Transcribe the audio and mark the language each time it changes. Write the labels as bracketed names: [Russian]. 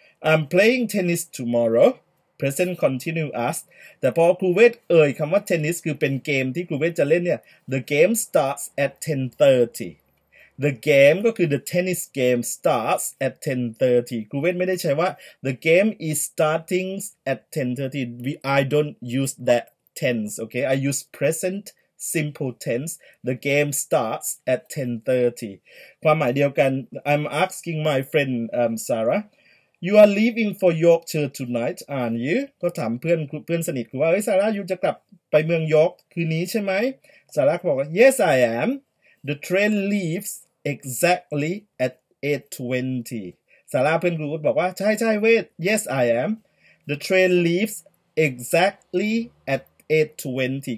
[English] I'm playing tennis tomorrow present continuous [Thai] แต่พอครูเวทเอ่ยคำว่า [English] tennis [Thai] คือเป็นเกมที่ครูเวทจะเล่นเนี่ย [English] the game starts at 10:30 the game [Thai] ก็คือ [English] the tennis game starts at 10:30 [Thai] ครูเวทไม่ได้ใช้ว่า [English] the game is starting at 10:30 I don't use that tense okay I use presentSimple tense. The game starts at 10:30. [Thai] ความหมายเดียวกัน [English] I'm asking my friend Sarah. You are leaving for Yorkshire tonight, aren't you? [Thai] ก็ถามเพื่อนสนิทว่าเฮ้ยซาร่าอยู่จะกลับไปเมืองยอร์กคืนนี้ใช่ไหมซาร่าบอกว่า [English] Yes, I am. The train leaves exactly at 8:20. [Thai] ซาร่าเพื่อนกูบอกว่าใช่ใช่เวท [English] Yes, I am. The train leaves exactly at 8:20.